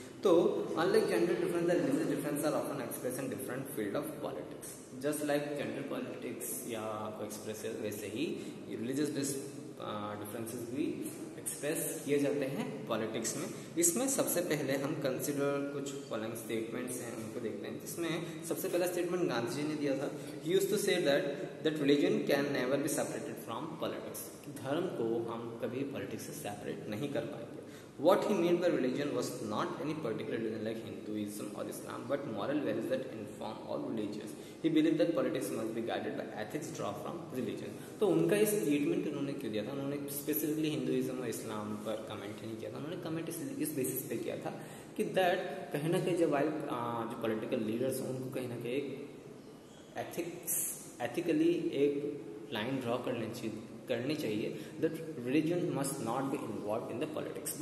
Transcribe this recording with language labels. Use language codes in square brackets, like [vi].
[en] तो unlike gender difference the religious difference are often express in different field of politics, just like gender politics [hi] या आपको express वैसे ही religious differences भी express किए जाते हैं पॉलिटिक्स में। इसमें सबसे पहले हम कंसिडर कुछ फॉलोइंग स्टेटमेंट्स हैं उनको देखते हैं, जिसमें सबसे पहला स्टेटमेंट गांधी जी ने दिया था, [en] he used to say that religion can never be separated from politics, [hi] धर्म को हम कभी पॉलिटिक्स से सेपरेट नहीं कर पाएंगे। [en] What he meant by religion was not any particular religion like Hinduism or Islam, but moral values that inform all religions. He believed that politics must be guided by ethics drawn from religion. [hi] तो उनका ये statement उन्होंने क्यों दिया था? उन्होंने specifically Hinduism और Islam पर comment नहीं किया था. उन्होंने comment इस basis पे किया था कि that कहीं ना कहीं जब आए जो political leaders हैं उनको कहीं ना कहीं एक ethically एक line draw करनी चाहिए [en] That religion must not be involve in the politics.